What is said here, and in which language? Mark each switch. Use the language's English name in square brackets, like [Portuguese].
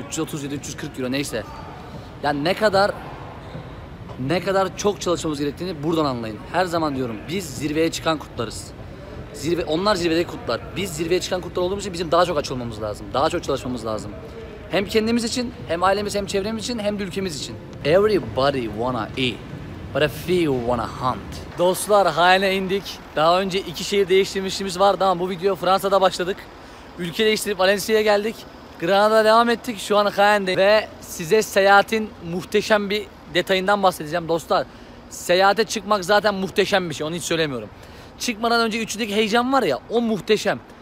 [Turkish] 330 ya da 340 euro neyse. Yani ne kadar çok çalışmamız gerektiğini buradan anlayın. Her zaman diyorum biz zirveye çıkan kurtlarız. Onlar zirvedeki kurtlar. Biz zirveye çıkan kurtlar olduğumuz için bizim daha çok açılmamız lazım. Daha çok çalışmamız lazım. Hem kendimiz için, hem ailemiz, hem çevremiz için, hem de ülkemiz için. [English] Everybody wanna eat, but a few wanna hunt. [Turkish] Dostlar, hayaline indik. Daha önce iki şehir değiştirmişliğimiz vardı ama bu videoya Fransa'da başladık. Ülke değiştirip Valencia'ya geldik. Granada'da devam ettik, şu an Cayenne'de. Ve size seyahatin muhteşem bir detayından bahsedeceğim dostlar. Seyahate çıkmak zaten muhteşem bir şey, onu hiç söylemiyorum. Çıkmadan önce üçündeki heyecan var ya, o muhteşem.